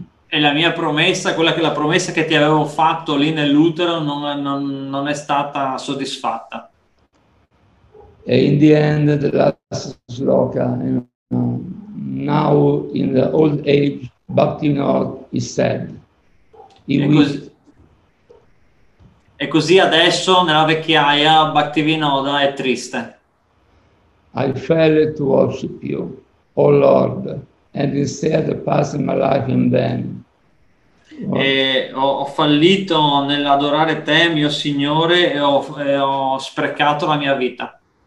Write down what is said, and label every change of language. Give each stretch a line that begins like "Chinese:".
Italian: E la mia promessa, quella che la promessa che ti avevo fatto lì nell'utero, non è stata soddisfatta.
English: E in the end, the last sloka, you know, now in the old age, Bhaktivinoda is sad.
Italian: E, wished, così, E così adesso nella vecchiaia Bhaktivinoda è triste.
English: I failed to worship you, O Lord, and instead passed my life in vain.
Italian: E ho fallito nell'adorare te, mio Signore, e ho sprecato la mia vita.